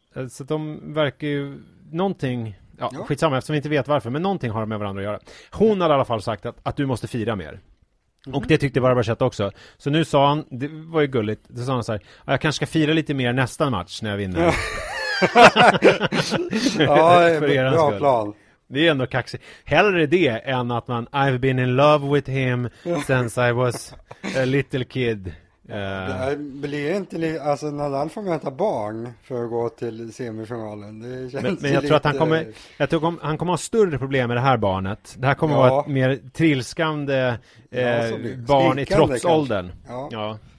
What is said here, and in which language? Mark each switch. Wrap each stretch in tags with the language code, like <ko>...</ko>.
<sv>Ja, så de verkar ju någonting, skitsamma eftersom vi inte vet varför, men någonting har de med varandra att göra. Hon har i alla fall sagt att du måste fira mer. Mm-hmm. Och det tyckte Barbara Schett också. Så nu sa han, det var ju gulligt, då sa han så här, jag kanske ska fira lite mer nästa match när jag vinner. Ja, bra plan. Det är ändå kaxigt. Hellre det än att man,</sv> <en>I've been in love with him since I was a little kid.</en> <sv>Det blir inte, alltså Nadal får möta barn för att gå till semifinalen. Det känns men jag lite... tror att han kommer ha större problem med det här barnet. Det här kommer vara ett mer trilskande barn i trotsåldern. Ja,</sv>